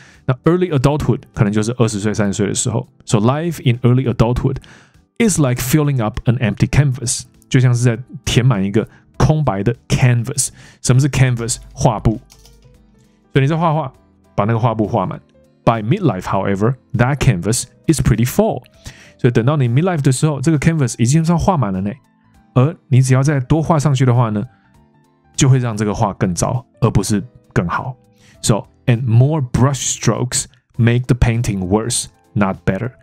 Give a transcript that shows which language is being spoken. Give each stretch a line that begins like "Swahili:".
Chinese: 那 early adulthood 可能就是二十岁、三十岁的时候。
English: So life in early adulthood is like filling up an empty canvas，
Chinese: 就像是在填满一个空白的 canvas。什么是 canvas？ 画布。所以你在画画，把那个画布画满。
English: By midlife, however, that canvas is pretty full。
Chinese: 所以等到你 midlife 的时候，这个 canvas 已经算画满了呢。而你只要再多画上去的话呢，就会让这个画更糟，而不是更好。
English: So。 And more brush strokes make the painting worse, not better.